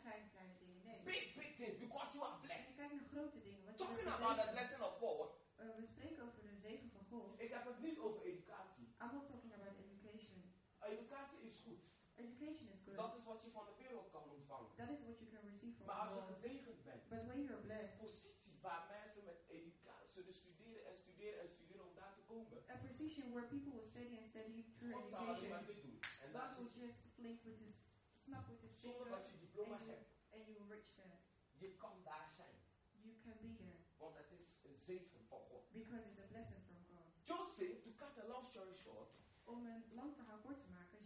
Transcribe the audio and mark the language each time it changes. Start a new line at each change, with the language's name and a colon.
Dutch: kleine dingen.
English: Big things, because you are blessed.
Dutch: Kijk naar grote dingen.
English: Talking about the blessing of God.
Dutch: We spreken over de zegen van God. Ik heb het niet over educatie.
English: I'm not talking about education.
Dutch: Educatie is goed.
English: Education is good.
Dutch: Dat is wat je van de wereld kan ontvangen.
English: That is what you can receive from.
Dutch: Maar als je gezegend bent.
English: But when you're blessed.
Dutch: Positie waar mensen met educatie zullen studeren en studeren en studeren om daar te komen.
English: A position where people will study and study through God
Dutch: God zal alleen maar dit doen. En
English: God will just flink with his.
Dutch: Zonder dat je diploma hebt.
English: And you reach there.
Dutch: Je kan daar zijn.
English: You can be here.
Dutch: Want dat is een zegen van God.
English: Because it's a blessing from God. Joseph, to cut a long story short.
Dutch: Om een lang verhaal kort te maken.